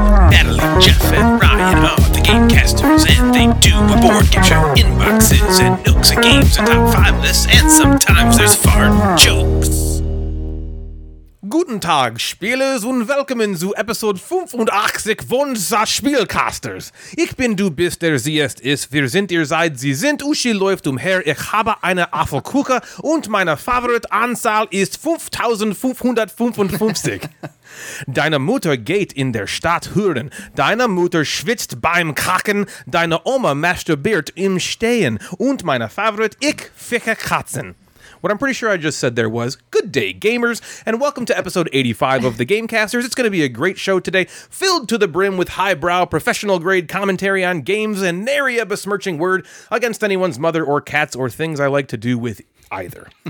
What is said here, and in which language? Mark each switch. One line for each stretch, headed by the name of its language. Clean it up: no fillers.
English: Natalie, Jeff, and Ryan are the Gamecasters, and they do a board game show. Inboxes and nooks and games and top five lists, and sometimes there's fart jokes.
German: Guten Tag, Spielers, und willkommen zu Episode 85 von Sa Spielcasters. Ich bin du bist der Siest ist, wir sind ihr seid, sie sind, Uschi läuft umher, ich habe eine Affelkuche und meine Favoritanzahl ist 5555. Deine Mutter geht in der Stadt hören, deine Mutter schwitzt beim Kacken, deine Oma masturbiert im Stehen und meine Favorit, ich ficke Katzen.
English: What I'm pretty sure I just said there was, good day, gamers, and welcome to episode 85 of the Gamecasters. It's going to be a great show today, filled to the brim with highbrow, professional-grade commentary on games and nary a besmirching word against anyone's mother or cats or things I like to do with either.